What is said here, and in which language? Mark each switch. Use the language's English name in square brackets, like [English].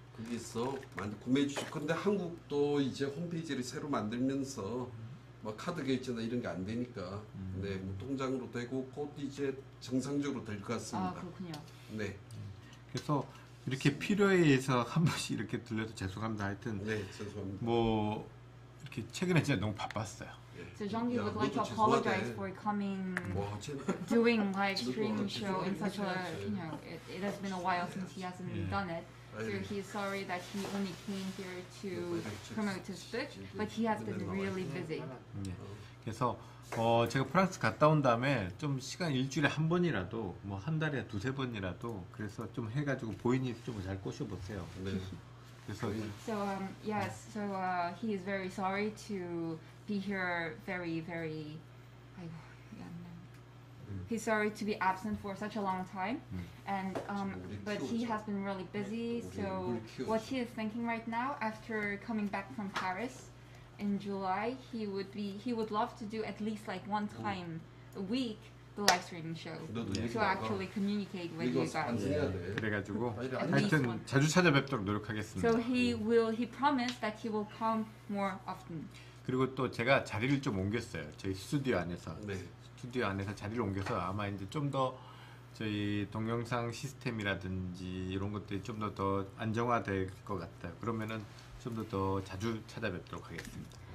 [Korean] 거기서 많이 구매해 주시고, 근데 한국도 이제 홈페이지를 새로 만들면서 뭐 카드 결제나 이런 게 안 되니까, 네, 뭐 통장으로 되고 곧 이제 정상적으로 될 것 같습니다. 아, 그렇군요. 네. 그래서 이렇게 필요해서 한 번씩 이렇게 들려서 죄송합니다. 하여튼 네, 죄송합니다. 뭐 이렇게 최근에 진짜 너무 바빴어요. [English] So Jeongi would like to apologize for coming, doing live stream show in such a, you know, it has been a while since he hasn't done it. So he's sorry that he only came here to promote his book, but he has been really busy. [Korean] 그래서 제가 프랑스 갔다 온 다음에 좀 시간 일주일에 한 번이라도 뭐 한 달에 두세 번이라도 그래서 좀 해가지고 보이니 좀 잘 꼬셔 보세요. 그래서 [English] So yes, so he is very sorry to be here very he's sorry to be absent for such a long time and but he has been really busy so what he is thinking right now after coming back from Paris in July he would love to do at least like one time a week the live streaming show to actually communicate with you guys [Korean] 그래가지고 하여튼 자주 찾아뵙도록 노력하겠습니다 [English] so he promised that he will come more often [Korean] 그리고 또 제가 자리를 좀 옮겼어요. 저희 스튜디오 안에서 네. 스튜디오 안에서 자리를 옮겨서 아마 이제 좀 더 저희 동영상 시스템이라든지 이런 것들이 좀 더 안정화될 것 같아요. 그러면은 좀 더 자주 찾아뵙도록 하겠습니다.